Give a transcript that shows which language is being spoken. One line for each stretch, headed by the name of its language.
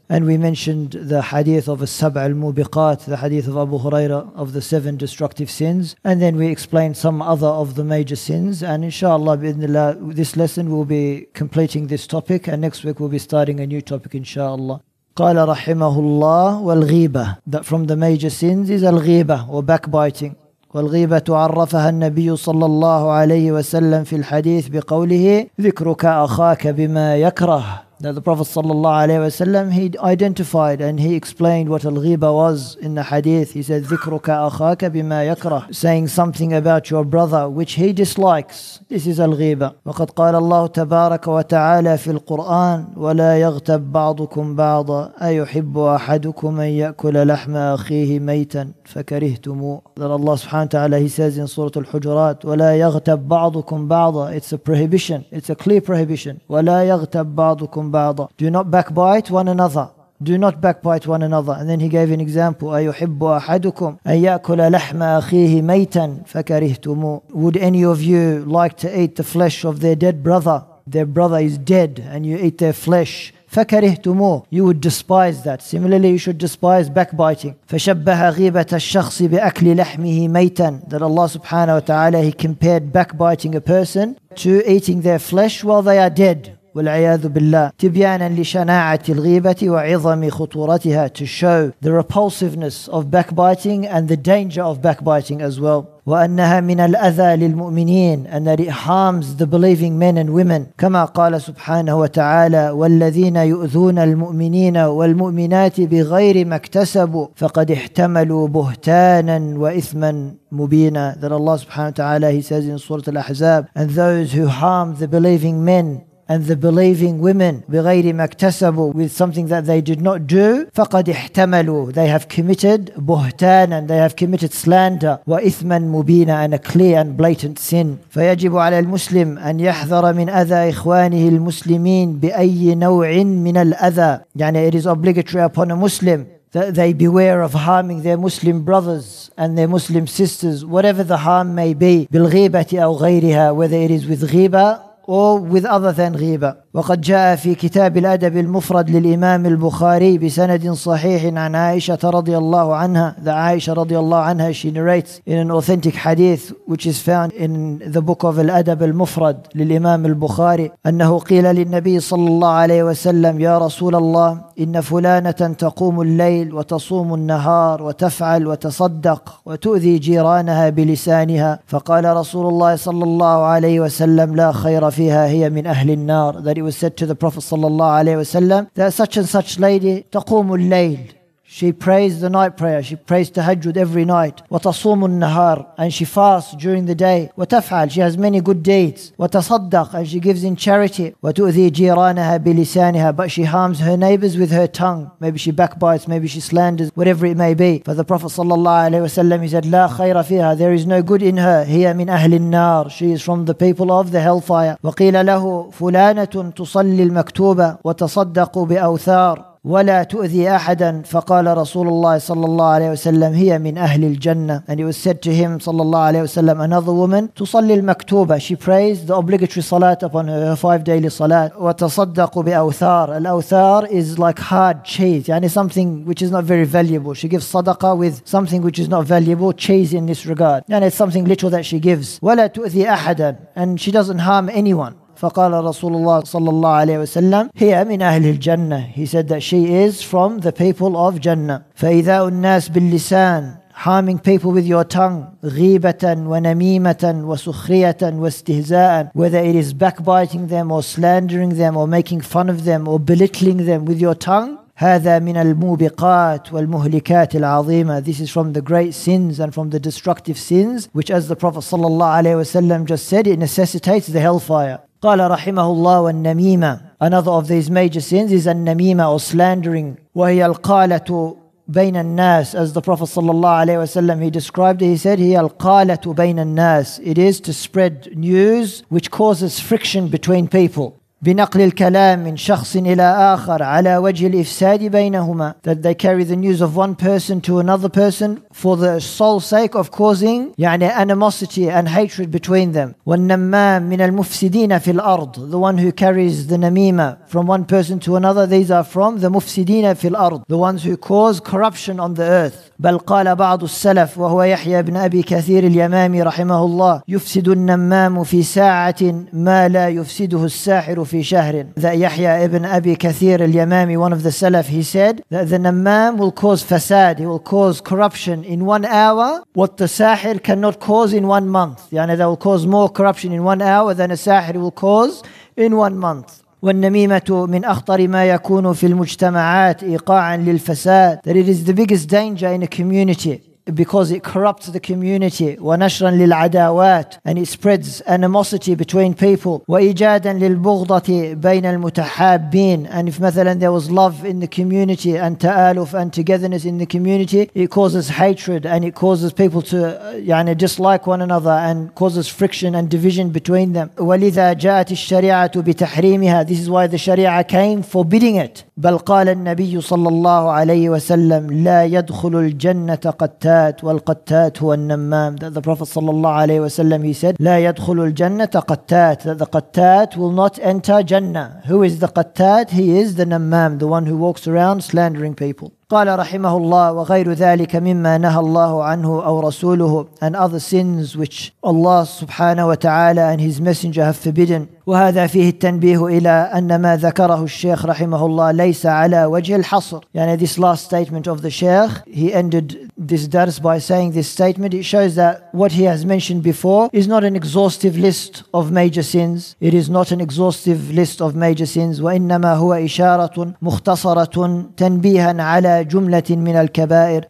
English: And we mentioned the hadith of as-sab' al-mubiqat, the hadith of Abu Huraira of the seven destructive sins. And then we explained some other of the major sins. And inshallah, bi'idhnillah, this lesson will be completing this topic. And next week, we'll be starting a new topic, inshallah.
Arabic: قال رحمه الله والغيبة.
English: That from the major sins is الغيبة or backbiting.
Arabic: والغيبة عرفها النبي صلى الله عليه وسلم في الحديث بقوله ذكرك أخاك بما يكره.
English: That the Prophet صلى الله عليه وسلم, he identified and he explained what الغيبة was in the hadith. He said
Arabic: ذكرك أخاك بما يكره,
English: saying something about your brother which he dislikes. This is الغيبة.
Arabic: وقد قال الله تبارك وتعالى في القرآن ولا يغتب بعضكم بعضا أيحب أحدكم أن يأكل لحم أخيه ميتا فكرهتموه.
English: That Allah سبحانه وتعالى, he says in Surah Al-Hujurat,
Arabic: ولا يغتب بعضكم بعضا,
English: it's a prohibition, it's a clear prohibition.
Arabic: ولا يغتب بعضكم,
English: do not backbite one another. Do not backbite one another. And then he gave an example.
Arabic: أَيُحِبُّ أَحَدُكُمْ أَنْ يَأْكُلَ لَحْمَ أَخِيهِ مَيْتًا فَكَرِهْتُمُ.
English: Would any of you like to eat the flesh of their dead brother? Their brother is dead and you eat their flesh. فَكَرِهْتُمُ. You would despise that. Similarly, you should despise backbiting.
Arabic: فَشَبَّهَ غِيبَةَ الشَّخْصِ بِأَكْلِ لَحْمِهِ مَيْتًا.
English: That Allah subhanahu wa ta'ala, he compared backbiting a person to eating their flesh while they are dead.
Arabic: والعياذ بالله تبيانا لشناعة الغيبة وعظم خطورتها,
English: to show the repulsiveness of backbiting and the danger of backbiting as well.
Arabic: وأنها من الأذى للمؤمنين,
English: and that it harms the believing men and women.
Arabic: كما قال سبحانه وتعالى والذين يؤذون المؤمنين والمؤمنات بغير ما اكتسبوا فقد احتملوا بهتانا وإثما مبينا.
English: That Allah subhanahu wa ta'ala, he says in Surah Al-Ahzab, and those who harm the believing men and the believing women,
Arabic: بغير ما اكتسبوا,
English: with something that they did not do,
Arabic: فقد احتملوا,
English: they have committed بهتانا, and they have committed slander,
Arabic: وإثما مبينا,
English: and a clear and blatant sin.
Arabic: فيجب على المسلم أن يحذر من أذى إخوانه المسلمين بأي نوع من الأذى.
English: يعني it is obligatory upon a Muslim that they beware of harming their Muslim brothers and their Muslim sisters, whatever the harm may be,
Arabic: بالغيبة أو غيرها,
English: whether it is with غيبة or with other than ghiba.
Arabic: وقد جاء في كتاب الأدب المفرد للإمام البخاري بسند صحيح عن عائشة رضي الله عنها. The عائشة رضي الله عنها,
English: she narrates in an authentic hadith which is found in the book of
Arabic: الأدب المفرد للإمام البخاري, أنه قيل للنبي صلى الله عليه وسلم يا رسول الله إن فلانة تقوم الليل وتصوم النهار وتفعل وتصدق وتؤذي جيرانها بلسانها. فقال رسول الله صلى الله عليه وسلم لا خير فيها هي من أهل النار.
English: That it was said to the Prophet sallallahu alaihi wasallam that such and such lady,
Arabic: taqumu al-layl,
English: she prays the night prayer, she prays tahajjud every night,
Arabic: wa tasumu an-nahar,
English: and she fasts during the day,
Arabic: wa taf'al,
English: she has many good deeds,
Arabic: wa tasaddaq,
English: and she gives in charity,
Arabic: wa tu'thi jiranaha bi lisaniha,
English: but she harms her neighbors with her tongue. Maybe she backbites, maybe she slanders, whatever it may be. For the Prophet sallallahu alaihi wasallam, he said
Arabic: la khayra fiha,
English: there is no good in her,
Arabic: hiya min ahli an-nar,
English: she is from the people of the hellfire.
Arabic: Wa qila lahu fulanatun tusalli al-maktuba wa tasaddaqu bi awthar ولا تؤذي أحدا فقال رسول الله صلى الله عليه وسلم هي من أهل الجنة.
English: And it was said to him صلى الله عليه وسلم, another woman
Arabic: تصلي المكتوبة,
English: she prays the obligatory salat upon her, her five daily salat.
Arabic: وتصدق بأوثار,
English: الأوثار is like hard cheese, يعني something which is not very valuable, she gives صدقه with something which is not valuable, cheese in this regard, يعني it's something little that she gives.
Arabic: ولا تؤذي أحدا,
English: and she doesn't harm anyone.
Arabic: فقال رسول الله صلى الله عليه وسلم هي من أهل الجنة.
English: He said that she is from the people of Jannah.
Arabic: فإذاء الناس باللسان,
English: harming people with your tongue,
Arabic: غيبة ونميمة وسخرية واستهزاء,
English: whether it is backbiting them or slandering them or making fun of them or belittling them with your tongue,
Arabic: هذا من الموبقات والمهلكات العظيمة.
English: This is from the great sins and from the destructive sins, which, as the Prophet صلى الله عليه وسلم just said, it necessitates the hellfire.
Arabic: قال رحمه الله والنميمة.
English: Another of these major sins is النميمة or slandering.
Arabic: وهي القالة بين الناس.
English: As the Prophet صلى الله عليه وسلم, he described it, he said,
Arabic: هي القالة بين الناس.
English: It is to spread news which causes friction between people.
Arabic: بنقل الكلام من شخص إلى آخر على وجه الإفساد بينهما.
English: That they carry the news of one person to another person for the sole sake of causing يعني animosity and hatred between them.
Arabic: والنمام من المفسدين في الأرض.
English: The one who carries the namima from one person to another, these are from the
Arabic: مفسدين في الأرض.
English: The ones who cause corruption on the earth.
Arabic: بل قال بعض السلف وهو يحيى بن أبي كثير اليمامي رحمه الله يفسد النمام في ساعة ما لا يفسده الساحر في شهر.
English: That يحيى ابن أبي كثير اليمامي, one of the salaf, he said that the namam will cause fasad, he will cause corruption in 1 hour what the sahir cannot cause in 1 month. يعني they will cause more corruption in 1 hour than a sahir will cause in 1 month.
Arabic: والنميمة من أخطر ما يكون في المجتمعات إيقاعا للفساد.
English: That it is the biggest danger in a community because it corrupts the community.
Arabic: ونشرا للعداوات,
English: and it spreads animosity between people.
Arabic: وإيجادا للبغضة بين المتحابين,
English: and if مثلا there was love in the community and تآلف and togetherness in the community, it causes hatred and it causes people to يعني dislike one another and causes friction and division between them.
Arabic: ولذا جاءت الشريعة بتحريمها.
English: This is why the Sharia came forbidding it.
Arabic: بل قال النبي صلى الله عليه وسلم لا يدخل الجنة قد والقتات هو النمام.
English: That the Prophet صلى الله عليه وسلم, he said
Arabic: لا يدخل الجنة قتات.
English: That the قتات will not enter Jannah. Who is the قتات? He is the نمام, the one who walks around slandering people.
Arabic: قال رحمه الله وغير ذلك مما نهى الله عنه أو رسوله,
English: and other sins which Allah سبحانه وتعالى and His Messenger have forbidden.
Arabic: وهذا فيه التنبيه إلى أن ما ذكره الشيخ رحمه الله ليس على وجه الحصر.
English: يعني this last statement of the Sheikh, he ended this درس by saying this statement. It shows that what he has mentioned before is not an exhaustive list of major sins. It is not an exhaustive list of major sins.
Arabic: وإنما هو إشارة مختصرة تنبيها على جملة من الكبائر.